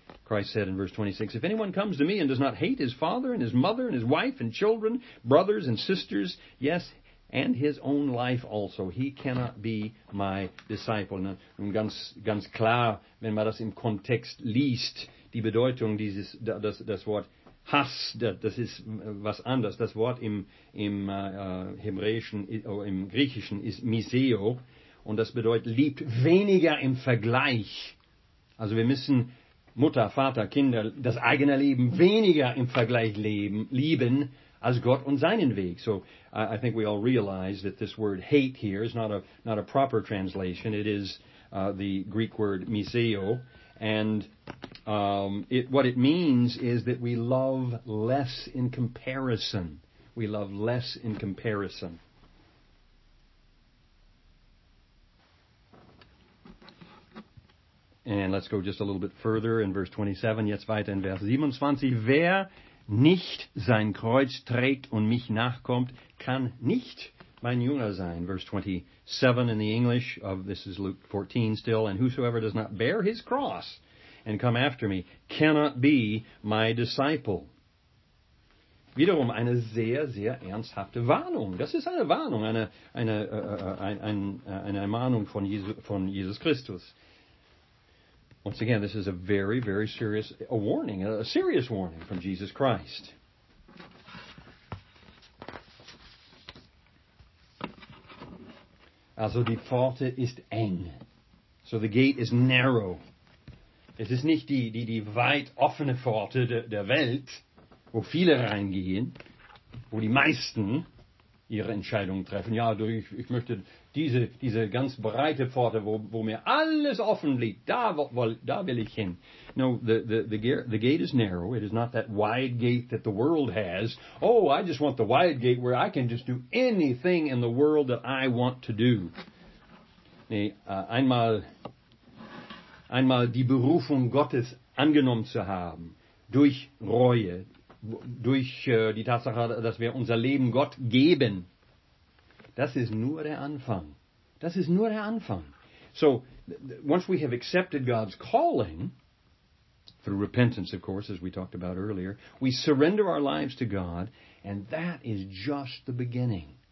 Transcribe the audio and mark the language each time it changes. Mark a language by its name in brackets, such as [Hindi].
[English] Christ said in verse 26, if anyone comes to me and does not hate his father and his mother and his wife and children, brothers and sisters, yes, and his own life also, he cannot be my disciple. [German] Nun ganz, ganz klar, wenn man das im Kontext liest, die Bedeutung dieses, das Wort Hass, das ist was anderes. Das Wort im Hebräischen, im Griechischen ist Miseo, und das bedeutet, liebt weniger im Vergleich. Also wir müssen Mutter, Vater, Kinder, das eigene Leben weniger im Vergleich lieben als Gott und seinen Weg. [English] So, I think we all realize that this word hate here is not a proper translation. It is the Greek word miseo. And what it means is that we love less in comparison. We love less in comparison. And let's go just a little bit further in verse 27. [German] Jetzt weiter in Vers 27. Wer nicht sein Kreuz trägt und mich nachkommt, kann nicht mein Jünger sein. [English] Verse 27 in the English of, this is Luke 14 still. And whosoever does not bear his cross and come after me cannot be my disciple. [German] Wiederum eine sehr, sehr ernsthafte Warnung. Das ist eine Warnung, eine Mahnung von Jesus Christus. [English] Once again, this is a very, very serious warning from Jesus Christ. [German] Also die Pforte ist eng. [English] So the gate is narrow. [German] Es ist nicht die weit offene Pforte der Welt, wo viele reingehen, wo die meisten ihre Entscheidungen treffen. Ja, ich möchte diese ganz breite Pforte, wo mir alles offen liegt, da will ich hin. [English] No, the gate is narrow. It is not that wide gate that the world has. Oh, I just want the wide gate where I can just do anything in the world that I want to do. [German] Nee, einmal die Berufung Gottes angenommen zu haben, durch Reue, durch die Tatsache, dass wir unser Leben Gott geben. Das ist nur der Anfang. Das ist nur der Anfang. [English] So, once we have accepted God's calling, through repentance, of course, as we talked about earlier, we surrender our lives to God, and that is just the beginning.